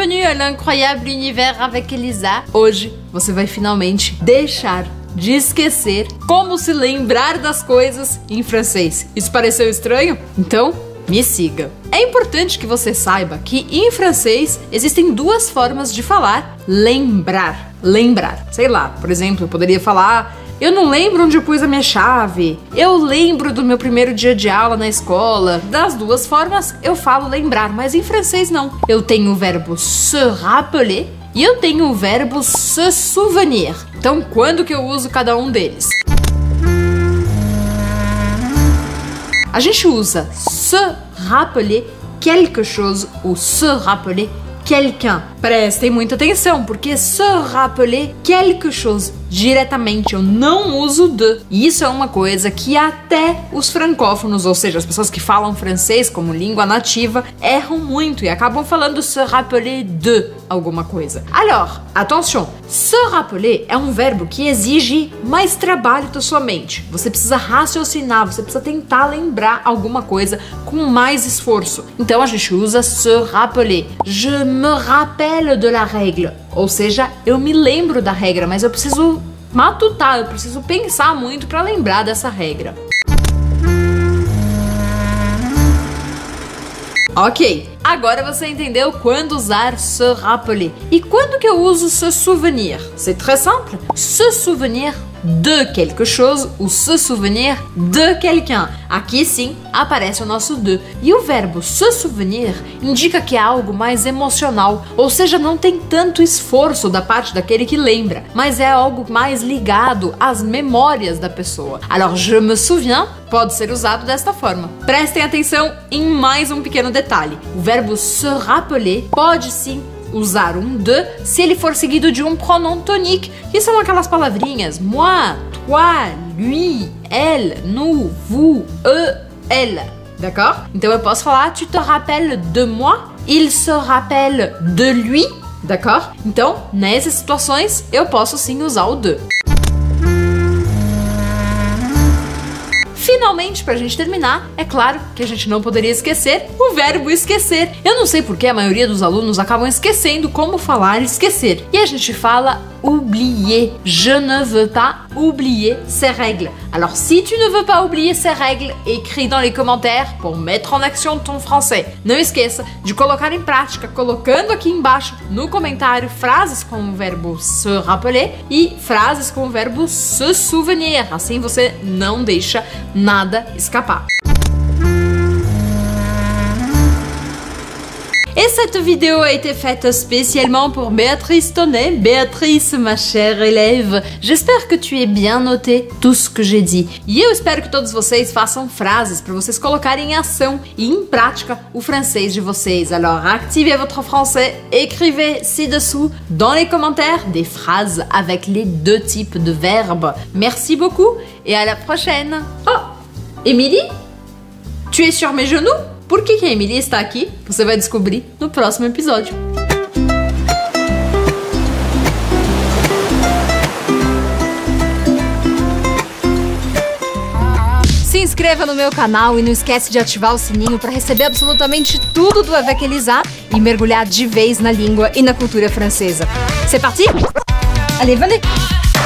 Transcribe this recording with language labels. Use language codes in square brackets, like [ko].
[fr] un incroyable univers avec Elisa. [pt] Hoje você vai finalmente deixar de esquecer como se lembrar das coisas em francês. Isso pareceu estranho? Então, me siga. É importante que você saiba que em francês existem duas formas de falar lembrar. Lembrar. Sei lá, por exemplo, eu poderia falar: eu não lembro onde eu pus a minha chave. Eu lembro do meu primeiro dia de aula na escola. Das duas formas, eu falo lembrar, mas em francês não. Eu tenho o verbo se rappeler e eu tenho o verbo se souvenir. Então, quando que eu uso cada um deles? A gente usa [fr] se rappeler quelque chose ou se rappeler quelqu'un. [pt] Prestem muita atenção, porque [fr] se rappeler quelque chose [pt] diretamente, eu não uso de. Isso é uma coisa que até os francófonos, ou seja, as pessoas que falam francês como língua nativa, erram muito e acabam falando se rappeler de alguma coisa. [fr] Alors, attention, [pt] se rappeler é um verbo que exige mais trabalho da sua mente. Você precisa raciocinar, você precisa tentar lembrar alguma coisa com mais esforço. Então a gente usa se rappeler. [fr] Je me rappelle de la règle. [pt] Ou seja, eu me lembro da regra, mas eu preciso matutar, eu preciso pensar muito para lembrar dessa regra. Ok, agora você entendeu quando usar se rappeler. E quando que eu uso se souvenir? [fr] C'est très simple. Se souvenir de quelque chose ou se souvenir de quelqu'un. [pt] Aqui sim aparece o nosso de. E o verbo se souvenir indica que é algo mais emocional, ou seja, não tem tanto esforço da parte daquele que lembra, mas é algo mais ligado às memórias da pessoa. [fr] Alors, je me souviens [pt] pode ser usado desta forma. Prestem atenção em mais um pequeno detalhe. O verbo se rappeler pode sim usar um de se ele for seguido de um pronom tonique, que são aquelas palavrinhas moi, toi, lui, elle, nous, vous, eux, elle. [fr] D'accord? [pt] Então eu posso falar [fr] tu te rappelles de moi, il se rappelle de lui. D'accord? [pt] Então nessas situações eu posso sim usar o de. Finalmente, pra gente terminar, é claro que a gente não poderia esquecer o verbo esquecer. Eu não sei porque a maioria dos alunos acabam esquecendo como falar esquecer. E a gente fala oublier. [fr] Je ne veux pas oublier ces règles. Alors, si tu ne veux pas oublier ces règles, écris dans les commentaires pour mettre en action ton français. [pt] Não esqueça de colocar em prática, colocando aqui embaixo no comentário, frases com o verbo se rappeler e frases com o verbo se souvenir. Assim você não deixa nada escapar. [fr] Et cette vidéo a été faite spécialement pour Béatrice Tonnet. Béatrice, ma chère élève, j'espère que tu aies bien noté tout ce que j'ai dit. [pt] E eu espero que todos vocês façam frases para vocês colocarem em ação e em prática o francês de vocês. [fr] Alors, activez votre français, écrivez ci-dessous, dans les commentaires, des phrases avec les deux types de verbes. Merci beaucoup et à la prochaine. Oh, Émilie, tu es sur mes genoux? [pt] Por que a Emily está aqui? Você vai descobrir no próximo episódio. Se inscreva no meu canal e não esquece de ativar o sininho para receber absolutamente tudo do Avec Elisa e mergulhar de vez na língua e na cultura francesa. [fr] C'est parti? Allez, venez!